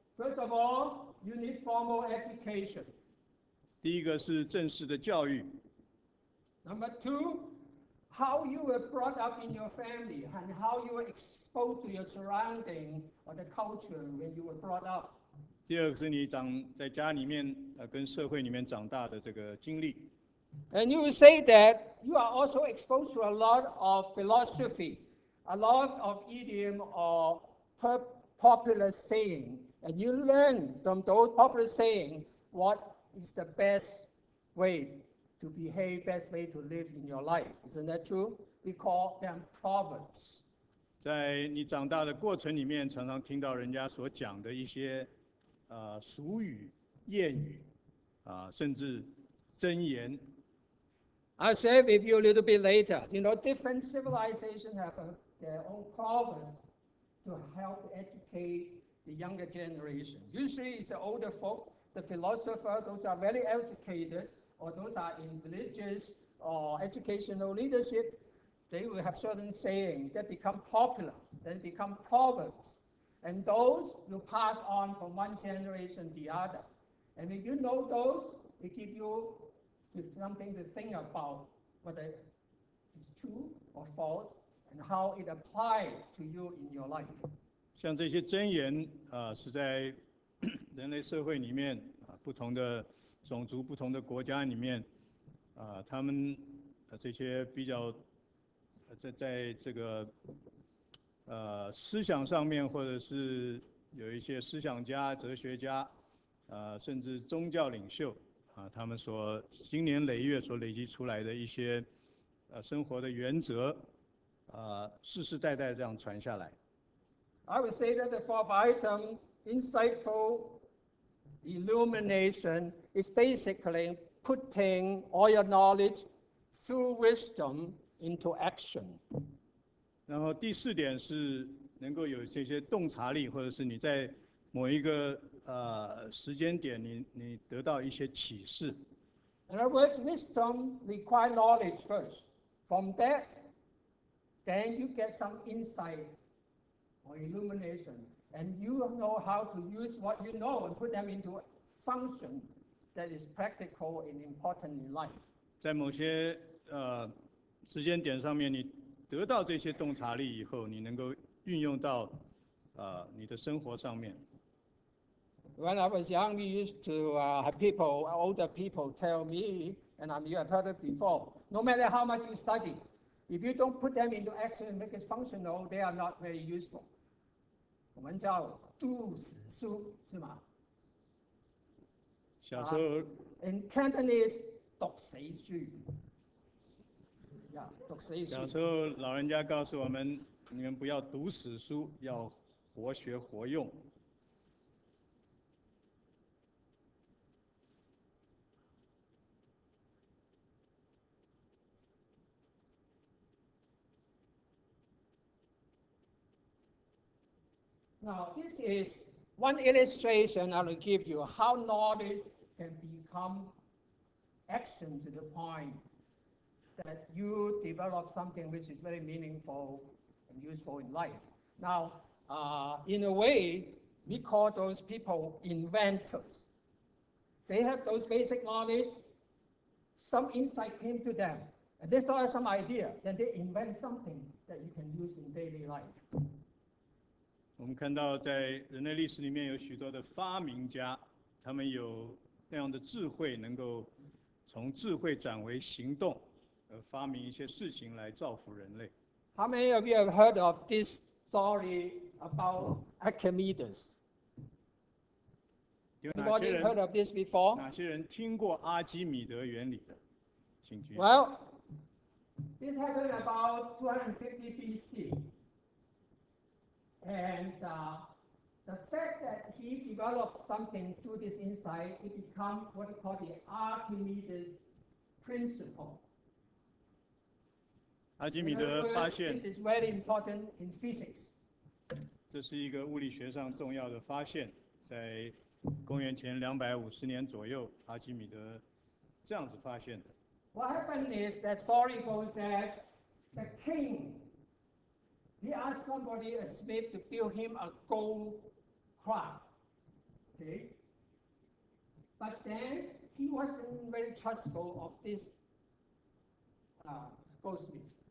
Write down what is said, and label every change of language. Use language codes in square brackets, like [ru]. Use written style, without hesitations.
[en] First of all, you need formal education. [zh] 第一个是正式的教育。 [en] Number two, how you were brought up in your family and how you were exposed to your surrounding or the culture when you were brought up. [zh] 第二个是你长在家里面跟社会里面长大的这个经历。 [en] And you will say that you are also exposed to a lot of philosophy, a lot of idiom or popular saying, and you learn from those popular saying what is the best way to behave, best way to live in your life. Isn't that true? We call them proverbs. [zh] 在你长大的过程里面，常常听到人家所讲的一些，俗语、谚语，甚至箴言。 [en] I'll share with you a little bit later. You know, different civilizations have their own proverbs to help educate the younger generation. Usually, it's the older folk, the philosopher, those are very educated, or those are in religious or educational leadership. They will have certain sayings that become popular, then become proverbs. And those will pass on from one generation to the other. And if you know those, it gives you something to think about whether it's true or false and how it applies to you in your life. [zh] 像这些箴言，是在人类社会里面，不同的种族、不同的国家里面，他们这些比较在这个思想上面，或者是有一些思想家、哲学家，甚至宗教领袖，他们所经年累月所累积出来的一些生活的原则，世世代代这样传下来。 [en] I would say that the fourth item, insightful illumination, is basically putting all your knowledge through wisdom into action. [zh] 然后第四点是能够有这些洞察力，或者是你在某一个时间点你得到一些启示。 [en] In other words, wisdom requires knowledge first. From that, then you get some insight. Or illumination, and you know how to use what you know and put them into a function that is practical and important in life. [zh] 在某些时间点上面，你得到这些洞察力以后，你能够运用到你的生活上面。 [en] When I was young, we used to have people, older people, tell me, and I'm you have heard it before. No matter how much you study, if you don't put them into action and make it functional, they are not very useful. [zh] 我们叫读死书是吗？小时候。 [en] In Cantonese, [zh] 读死书。读死书。小时候，老人家告诉我们：“你们不要读死书，要活学活用。” [en] Now, this is one illustration I will give you how knowledge can become action to the point that you develop something which is very meaningful and useful in life. Now, in a way, we call those people inventors. They have those basic knowledge, some insight came to them, and they thought of some idea, then they invent something that you can use in daily life. [zh] 我们看到在人类历史里面有许多的发明家，他们有那样的智慧，能够从智慧转为行动，发明一些事情来造福人类。 [en] How many of you have heard of this story about Archimedes? Anybody heard of this before? [zh] 哪些人听过阿基米德原理的？请举手。 [en] Well, this happened about 250 BC. And the fact that he developed something through this insight, it became what is called the Archimedes principle. [zh] 阿基米德发现。 [en] This is very important in physics. [zh] 这是一个物理学上重要的发现，在公元前250年左右，阿基米德这样子发现的。 [en] What happened is that story goes that the king. He asked somebody, a smith, to build him a gold clock. Okay? But then he wasn't very trustful of this goldsmith.